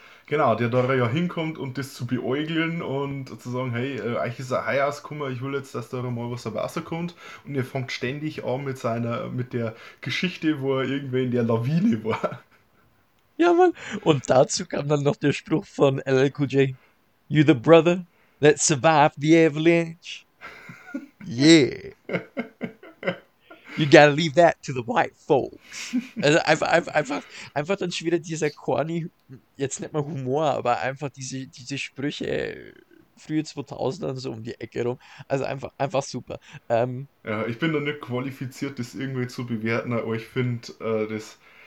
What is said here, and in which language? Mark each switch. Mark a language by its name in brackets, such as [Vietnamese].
[German] Genau, der da ja hinkommt und das zu beäugeln und zu sagen, hey, eigentlich ist er heiß, guck mal, ich will jetzt, dass da mal was am Wasser kommt. Und er fängt ständig an mit mit der Geschichte, wo er irgendwie in der Lawine war. Ja, Mann. Und dazu kam dann noch der Spruch von LL Cool J. [English] You the brother that survived the avalanche. Yeah. You gotta leave that to the white folks. [German] Also einfach dann schon wieder dieser corny, jetzt nicht mal Humor, aber einfach diese Sprüche frühe 2000er so um die Ecke rum. Also einfach super. Ja, ich bin da nicht qualifiziert, das irgendwie zu bewerten, aber ich finde das